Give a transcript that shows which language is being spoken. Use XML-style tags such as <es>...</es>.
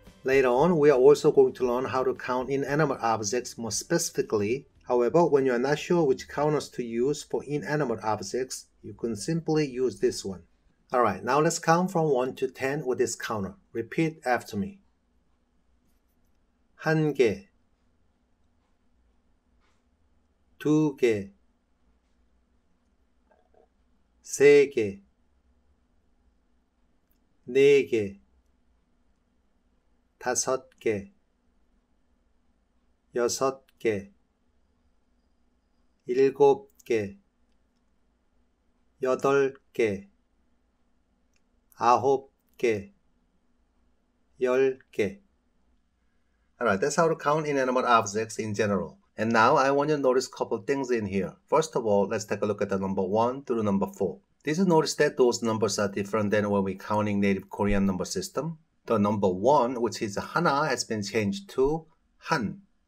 <en>Later on, we are also going to learn how to count inanimate objects more specifically. However, when you are not sure which counters to use for inanimate objects, you can simply use this one. Alright, now let's count from 1 to 10 with this counter. Repeat after me.</en> <ko>한 개 두 개 세 개 네 개 다섯 개 여섯 개 일곱 개 여덟 개 아홉 개, 열 개.</ko> <en>Alright, that's how to count inanimate objects in general. And now I want you to notice a couple things in here. First of all, let's take a look at the number 1 through number 4. Did you notice that those numbers are different than when we're counting native Korean number system? The number 1, which is 하나, has been changed to 한.</en>